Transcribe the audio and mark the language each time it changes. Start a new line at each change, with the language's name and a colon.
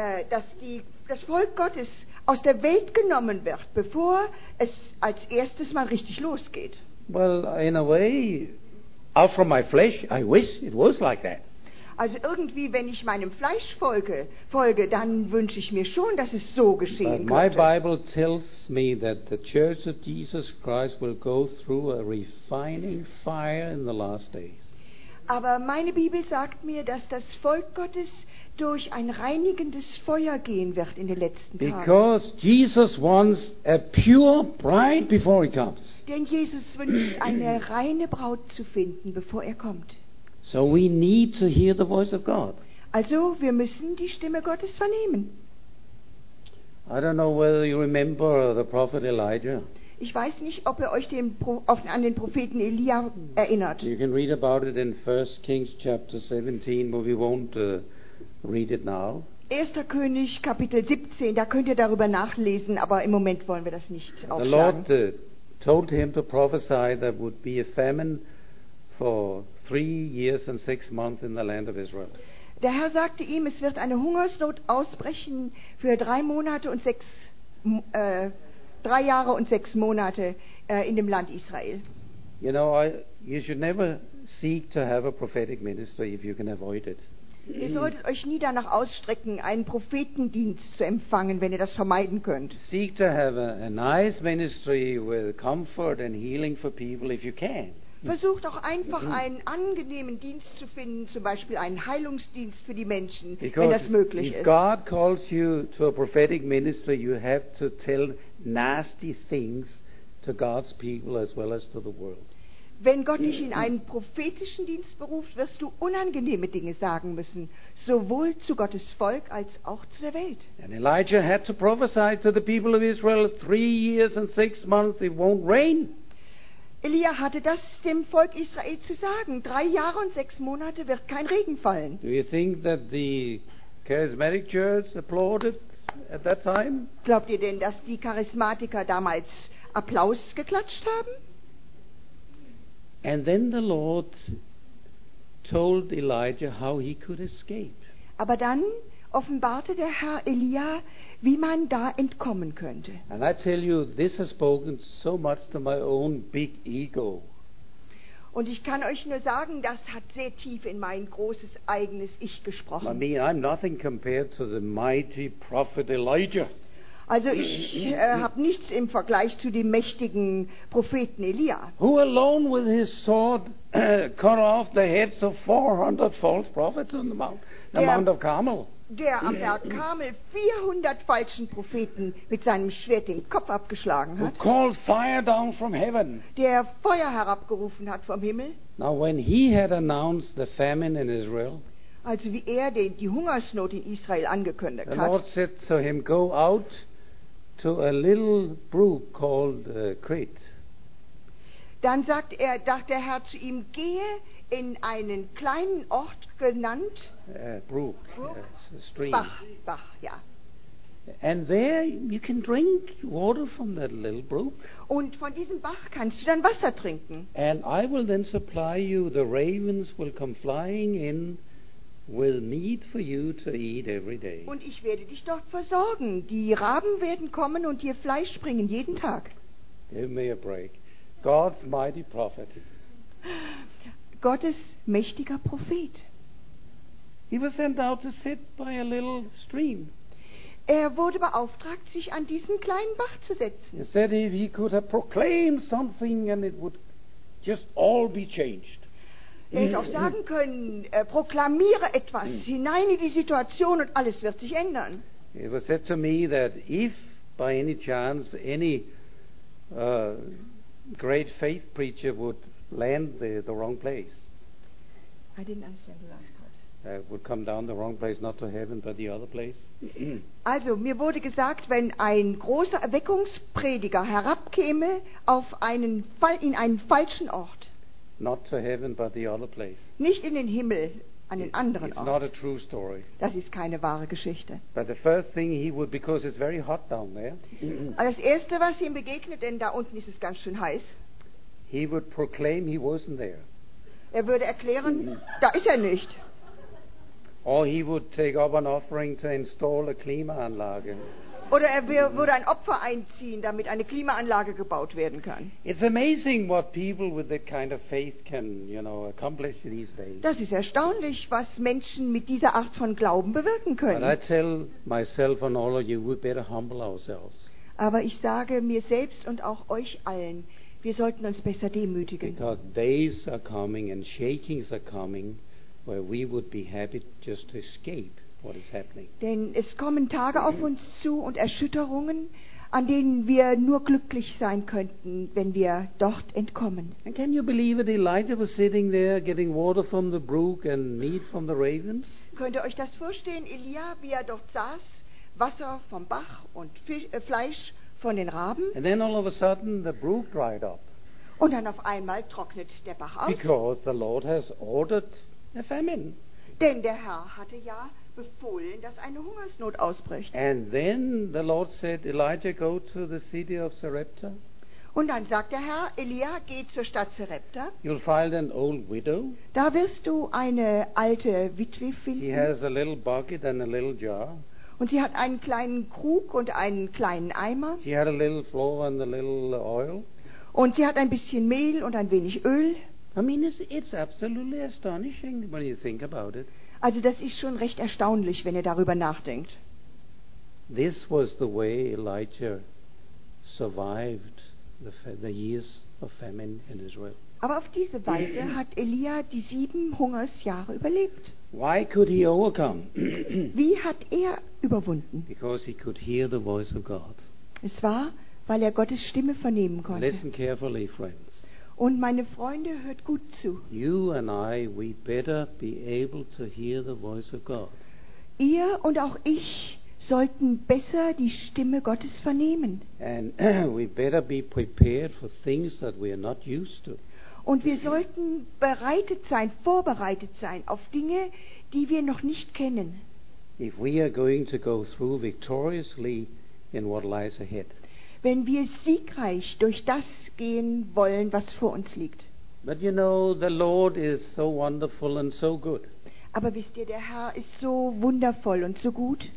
German: Dass das Volk Gottes aus der Welt genommen wird, bevor es als erstes mal richtig losgeht.
English: Well, in a way, out from my flesh, I wish it was like that.
German: Also irgendwie, wenn ich meinem Fleisch folge, dann wünsche ich mir schon, dass es so geschehen könnte.
English: But my Bible tells me that the Church of Jesus Christ will go through a refining fire in the last days.
German: Aber meine Bibel sagt mir, dass das Volk Gottes durch ein reinigendes Feuer gehen wird in den letzten Tagen.
English: Because Jesus wants a pure bride before he comes.
German: Denn Jesus wünscht eine reine Braut zu finden, bevor er kommt.
English: So we need to hear the voice of God.
German: Also, wir müssen die Stimme Gottes vernehmen.
English: I don't know whether you remember the prophet Elijah.
German: Ich weiß nicht, ob ihr euch an den Propheten Elia erinnert.
English: You can read about it in 1 Kings chapter 17, but we won't read it now.
German: 1. König Kapitel 17, da könnt ihr darüber nachlesen, aber im Moment wollen wir das nicht aufschlagen.
English: The Lord told him to prophesy there would be a famine for 3 years and 6 months in the land of Israel.
German: Der Herr sagte ihm, es wird eine Hungersnot ausbrechen für 3 Monate und 3 Jahre und 6 Monate in dem Land Israel.
English: You know, you should never seek to have a prophetic ministry if you can avoid it.
German: Ihr solltet euch nie danach ausstrecken, einen Prophetendienst zu empfangen, wenn ihr das vermeiden könnt.
English: Seek to have a nice ministry with comfort and healing for people if you can.
German: Versucht auch einfach einen angenehmen Dienst zu finden, zum Beispiel einen Heilungsdienst für die Menschen,
English: because
German: wenn das möglich
English: if
German: ist.
English: God calls you to a prophetic ministry, you have to tell nasty things to God's people as well as to the world.
German: Wenn Gott dich in einen prophetischen Dienst beruft, wirst du unangenehme Dinge sagen müssen, sowohl zu Gottes Volk als auch zu der Welt.
English: And Elijah had to prophesy to the people of Israel 3 years and 6 months it won't rain.
German: Elia hatte das dem Volk Israel zu sagen. 3 Jahre und 6 Monate wird kein Regen fallen.
English: Do you think that the charismatic church applauded at that time?
German: Glaubt ihr denn, dass die Charismatiker damals Applaus geklatscht haben?
English: And then the Lord told Elijah how he could escape.
German: Aber dann offenbarte der Herr Elia, wie man da entkommen könnte.
English: And I tell you, this has spoken so much to my own big ego.
German: Und ich kann euch nur sagen, das hat sehr tief in mein großes eigenes Ich gesprochen.
English: I mean, I'm nothing compared to the mighty prophet Elijah.
German: Also ich habe nichts im Vergleich zu dem mächtigen Propheten Elia.
English: Who alone with his sword cut off the heads of 400 false prophets on the Mount of Carmel.
German: Der am Berg Carmel 400 falschen Propheten mit seinem Schwert den Kopf abgeschlagen hat.
English: Who called fire down from heaven.
German: Der Feuer herabgerufen hat vom Himmel.
English: Now when he had announced the famine in Israel.
German: Also wie er die Hungersnot in Israel angekündigt hat.
English: The Lord said to him, go out to a little brook called Crete.
German: Dann sagt der Herr zu ihm, gehe in einen kleinen Ort genannt
English: Brook. It's a stream.
German: Bach, ja.
English: And there you can drink water from that little brook.
German: Und von diesem Bach kannst du dann Wasser trinken.
English: And I will then supply you, the ravens will come flying in with meat for you to eat every day.
German: Und ich werde dich dort versorgen. Die Raben werden kommen und dir Fleisch bringen jeden Tag.
English: Give me a break. God's mighty prophet.
German: Gottes mächtiger Prophet.
English: He was sent out to sit by a little stream.
German: Er wurde beauftragt, sich an diesen kleinen Bach zu setzen.
English: He said if he could have proclaimed something and it would just all be changed.
German: Er hätte auch sagen können, proklamiere etwas hinein in die Situation und alles wird sich ändern.
English: It was said to me that if by any chance any great faith preacher would land the wrong place. I didn't understand the last part. Would come down the wrong place, not to heaven, but the other place.
German: Also, mir wurde gesagt, wenn ein großer Erweckungsprediger herabkäme auf einen Fall in einen falschen Ort.
English: Not to heaven, but the other place.
German: Nicht in den Himmel, an den anderen
English: it's
German: Ort.
English: Not a true story.
German: Das ist keine wahre Geschichte.
English: But the first thing he would, because it's very hot down there.
German: Das erste, was ihm begegnet, denn da unten ist es ganz schön heiß.
English: He would proclaim he wasn't there.
German: Er würde erklären, da ist er nicht.
English: Or he would take up an offering to install a Klimaanlage.
German: Oder er würde ein Opfer einziehen, damit eine Klimaanlage gebaut werden kann.
English: It's amazing what people with that kind of faith can, you know, accomplish these days.
German: Das ist erstaunlich, was Menschen mit dieser Art von Glauben bewirken können.
English: But I tell myself and all of you, we better humble ourselves.
German: Aber ich sage mir selbst und auch euch allen, wir sollten uns besser demütigen.
English: Because days are coming and shakings are coming, where we would be happy just to escape. What is happening.
German: Denn es kommen Tage auf uns zu und Erschütterungen, an denen wir nur glücklich sein könnten, wenn wir dort entkommen.
English: And can you believe it? Elijah was sitting there getting water from the brook and meat from the ravens?
German: Könnt ihr euch das vorstellen, Elia, wie er dort saß, Wasser vom Bach und Fleisch von den Raben?
English: And then all of a sudden the brook dried up.
German: Und dann auf einmal trocknet der Bach aus.
English: Because the Lord has ordered a famine.
German: Denn der Herr hatte ja befohlen, dass eine Hungersnot ausbricht.
English: And then the Lord said, Elijah, go to the city of Sarepta.
German: Und dann sagt der Herr, Elia, geh zur Stadt Sarepta.
English: You'll find an old widow.
German: Da wirst du eine alte Witwe finden.
English: He has a little bucket and a little jar.
German: Und sie hat einen kleinen Krug und einen kleinen Eimer.
English: She had a little flour and a little oil.
German: Und sie hat ein bisschen Mehl und ein wenig Öl.
English: I mean, it's absolutely astonishing when you think about it.
German: Also das ist schon recht erstaunlich, wenn ihr darüber nachdenkt.
English: This was the way Elijah survived the years of famine in Israel.
German: Aber auf diese Weise hat Elia die 7 Hungersjahre überlebt.
English: Why could he overcome?
German: Wie hat er überwunden?
English: Because he could hear the voice of God.
German: Es war, weil er Gottes Stimme vernehmen konnte.
English: Listen carefully, friends.
German: Und meine Freunde, hört gut zu.
English: You and I, we better be able to hear the voice of God.
German: Ihr und auch ich sollten besser die Stimme Gottes vernehmen.
English: And we better be prepared for things that we are not used to.
German: Und wir sollten vorbereitet sein auf Dinge, die wir noch nicht kennen.
English: If we are going to go through victoriously in what lies ahead.
German: Wenn wir siegreich durch das gehen wollen, was vor uns liegt.
English: But you know, the Lord is so wonderful and so good.
German: Aber wisst ihr, der Herr ist so wundervoll und so gut.